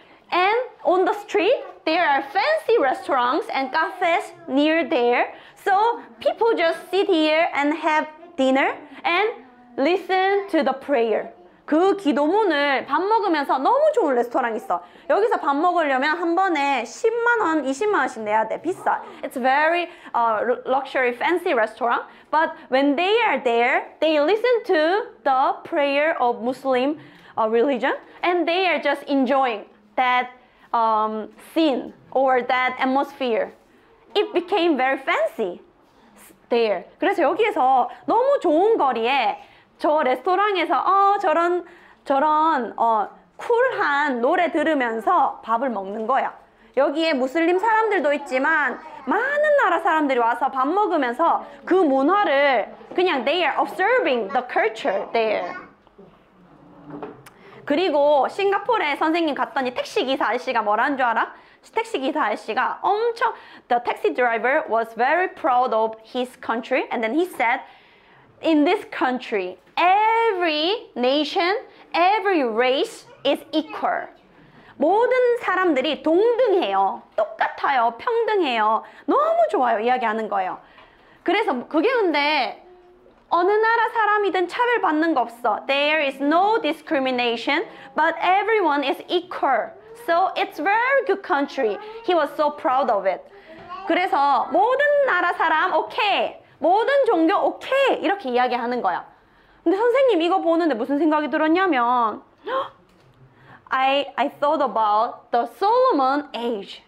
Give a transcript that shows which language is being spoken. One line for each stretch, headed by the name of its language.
English: And on the street, there are fancy restaurants and cafes near there. So people just sit here and have dinner and listen to the prayer.
Korean: 그 기도문을 밥 먹으면서 너무 좋은 레스토랑 있어. 여기서 밥 먹으려면 한 번에 10만원, 20만원씩 내야 돼. 비싸.
English: It's very luxury, fancy restaurant. But when they are there, they listen to the prayer of Muslim religion and they are just enjoying. That scene or that atmosphere, it became very fancy there.
Korean: 그래서 여기에서 너무 좋은 거리에 저 레스토랑에서 저런 쿨한 노래 들으면서 밥을 먹는 거야. 여기에 무슬림 사람들도 있지만 많은 나라 사람들이 와서 밥 먹으면서 그 문화를 그냥
English: they are observing the culture there.
Korean: 그리고 싱가포르에 선생님 갔더니 택시기사 아저씨가 뭐라는 줄 알아? 택시기사 아저씨가 엄청
English: The taxi driver was very proud of his country and then he said In this country, every nation, every race is equal.
Korean: 모든 사람들이 동등해요. 똑같아요. 평등해요. 너무 좋아요. 이야기하는 거예요. 그래서 그게 근데 어느 나라 사람이든 차별받는 거 없어.
English: There is no discrimination, but everyone is equal. So it's very good country. He was so proud of it.
Korean: 그래서 모든 나라 사람 오케이. 모든 종교 오케이. 이렇게 이야기하는 거야. 근데 선생님 이거 보는데 무슨 생각이 들었냐면
English: I thought about the Solomon age.